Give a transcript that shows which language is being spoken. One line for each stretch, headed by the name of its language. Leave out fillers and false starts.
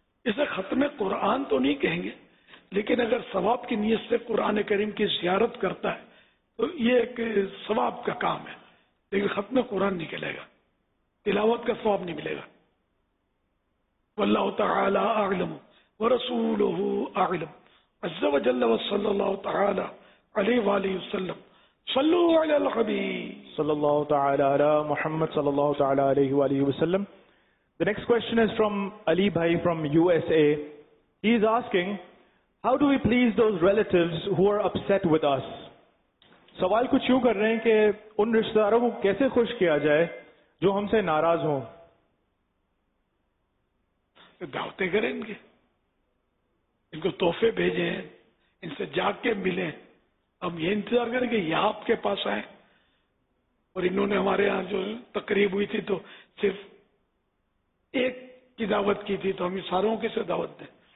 Urdu: اسے ختم قرآن تو نہیں کہیں گے, لیکن اگر ثواب کی نیت سے قرآن کریم کی زیارت کرتا ہے تو یہ ایک ثواب کا کام ہے, لیکن ختم قرآن نہیں کہلے گا, تلاوت کا ثواب نہیں ملے گا.
Arabic: واللہ تعالی اعلم ورسوله اعلم عز وجل وصلی اللہ تعالی علیہ وآلہ وسلم صلوا علی الحبیب صلی اللہ تعالی علی محمد صلی اللہ تعالی علیہ وآلہ وسلم.
English: The next question is from Ali Bhai from USA. He is asking, how do we please those relatives who are upset with us?
Urdu: سوال کچھ یوں کر رہے ہیں کہ ان رشتہ داروں کو کیسے خوش کیا جائے جو ہم سے ناراض ہوں. دعوتیں کریں ان کے, ان کو تحفے بھیجیں, ان سے جا کے ملیں. ہم یہ انتظار کریں کہ یہ آپ کے پاس آئیں, اور انہوں نے ہمارے یہاں جو تقریب ہوئی تھی تو صرف ایک کی دعوت کی تھی, تو ہم یہ ساروں کی سے دعوت دیں.